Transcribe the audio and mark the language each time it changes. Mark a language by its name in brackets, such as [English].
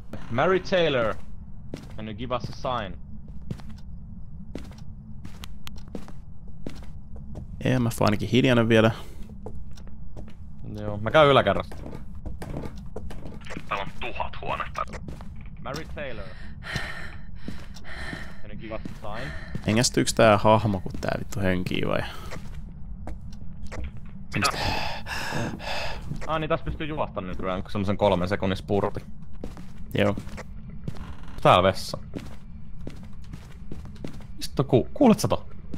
[English] Mary Taylor, can you give us a sign? [Finnish] EMF on ainakin hiljainen vielä. Joo, mä käyn yläkerrasta. Täällä on 1000 huonetta. [English] Mary Taylor, can you give us a sign? [Finnish] Hengästyyks tää hahmo, kun tää vittu hönkii vai? Mitä? Ah niin, tässä pystyy juhahtamaan nykyään, kun semmosen 3 sekunnin spurti. Joo. Täällä vessa. Mistä kuulet sä to?